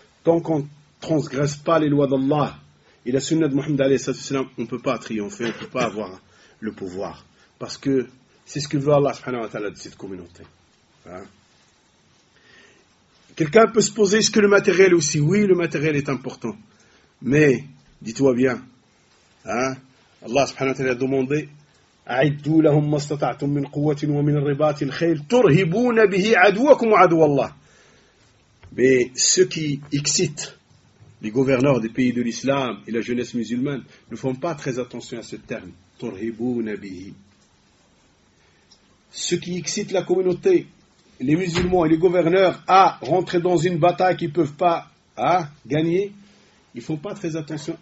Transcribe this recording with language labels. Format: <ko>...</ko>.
<fr>Tant qu'on ne transgresse pas les lois d'Allah et la sunna de Mohammed alayhi sallallahu alayhi wa sallam, on ne peut pas triompher, on ne peut pas avoir le pouvoir. Parce que c'est ce que veut Allah subhanahu wa ta'ala de cette communauté. Hein? Quelqu'un peut se poser, est-ce que le matériel aussi? Oui, le matériel est important. Mais, dis-toi bien, hein? Allah subhanahu wa ta'ala a demandé,</fr> <ar>أعدوا لهم ما استطعتم من قوة ومن رباط الخيل ترهبون به عدوكم وعدو الله.</ar> <fr>Mais ceux qui excitent les gouverneurs des pays de l'islam et la jeunesse musulmane ne font pas très attention à ce terme.</fr> <ar>ترهبون به.</ar> <fr>Ceux qui excitent la communauté, les musulmans et les gouverneurs à rentrer dans une bataille qu'ils ne peuvent pas gagner, ils ne font pas très attention.</fr>